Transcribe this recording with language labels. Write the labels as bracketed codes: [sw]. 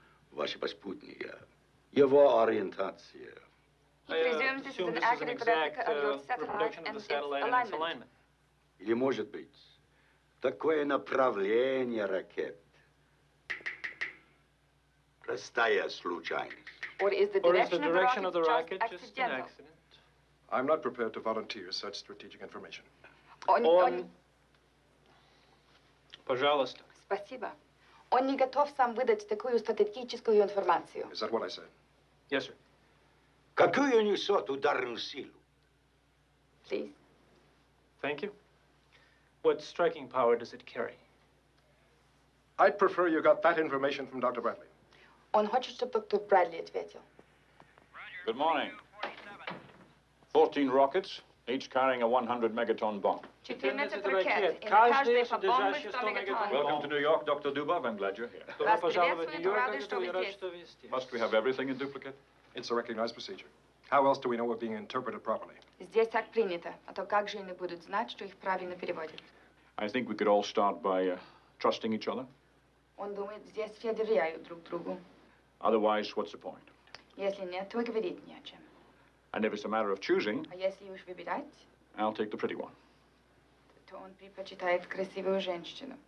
[ru] Ваши поспутники, его ориентация. [en] Presume this is an accurate replica of your satellite and its alignment. [ru] Или может быть такое направление ракет? Простая случайность. [en] Or is the direction of the rocket just accidental? I'm not prepared to volunteer such strategic information. [ru] Он. Пожалуйста. Спасибо. Он не готов сам выдать такую стратегическую информацию. [en] Is that what I said? Yes, sir. [ru] Какую несет ударную силу? [en] Please. Thank you. What striking power does it carry? I'd prefer you got that information from Dr. Bradley. [ru] Он хочет, чтобы доктор Брэдли ответил. [en] Good morning. 14 rockets, each carrying a 100 megaton bomb. Welcome to New York, Dr. Dubov. I'm glad you're here. Must we have everything in duplicate? It's a recognized procedure. How else do we know we're being interpreted properly? [ru] Здесь так принято, а то как же они будут знать, что их правильно переводят? [en] I think we could all start by trusting each other. [ru] Он думает, здесь все доверяют друг другу. [en] Otherwise, what's the point? [ru] Если нет, то говорить не о чем. [en] And if it's a matter of choosing, [ru] а если уж выбирать, [en] I'll take the pretty one. [ru] То он предпочитает красивую женщину.